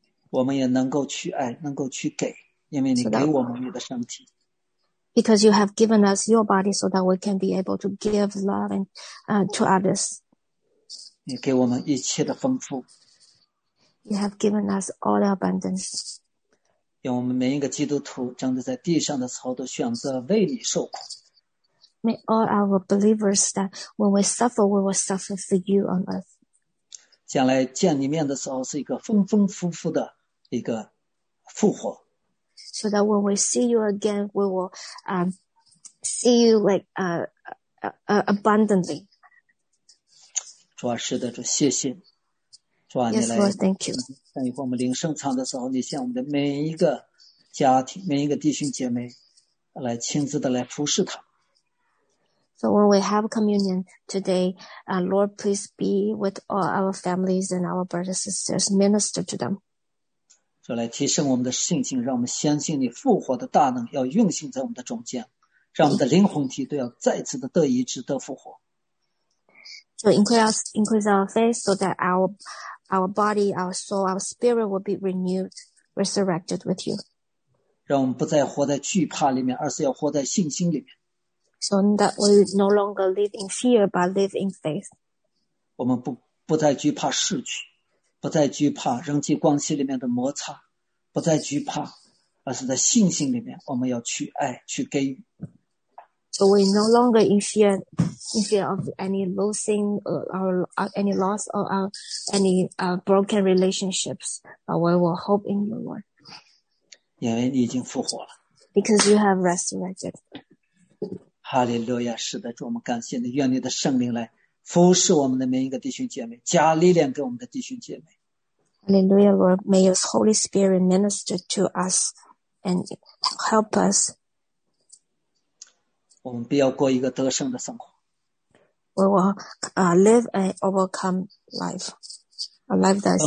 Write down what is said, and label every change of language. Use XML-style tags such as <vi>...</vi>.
<zh>我们也能够去爱，能够去给，因为你给我们你的身体。</zh> <en>Because you have given us your body so that we can be able to give love and, to others.</en> <zh>你给我们一切的丰富。</zh> <en>You have given us all the abundance.</en> <zh>愿我们每一个基督徒真的在地上的时候都选择为你受苦。</zh> <en>May all our believers that when we suffer, we will suffer for you on earth.</en> <zh>将来见你面的时候是一个丰丰富富的一个复活。</zh> <en>So that when we see you again, we will, see you like, abundantly.</en> <zh>主啊，是的，主，谢谢。主啊，你来。</zh> <en>Yes, Lord, thank you.</en> <zh>等一会儿我们铃声唱的时候，你向我们的每一个家庭、每一个弟兄姐妹来亲自的来服侍他。</zh> <en>So when we have communion today, Lord, please be with all our families and our brothers and sisters. Minister to them.</en> <zh>主来提升我们的信心，让我们相信你复活的大能要运行在我们的中间，让我们的灵魂体都要再次的得医治、得复活。</zh> <en>So increase our faith so that our body, our soul, our spirit will be renewed, resurrected with you.</en> <zh>让我们不再活在惧怕里面，而是要活在信心里面。</zh> <en>So that we no longer live in fear, but live in faith.</en> <zh>我们不再惧怕失去，不再惧怕人际关系里面的摩擦，不再惧怕，而是在信心里面，我们要去爱，去给予。</zh> <en>So we no longer in fear of any losing or any loss or any broken relationships, but we will hope in you, Lord.</en> <zh>因为你已经复活了。</zh> <en>Because you have resurrected.</en> <zh>哈利路亚，是的，主，我们感谢你，愿你的圣灵来服侍我们的每一个弟兄姐妹，加力量给我们的弟兄姐妹。</zh> <en>哈利路亚 Lord, may your Holy Spirit minister to us and help us.</en> <zh>我们必要过一个得胜的生活。</zh> <en>We will live an overcome life, a life that's...</en>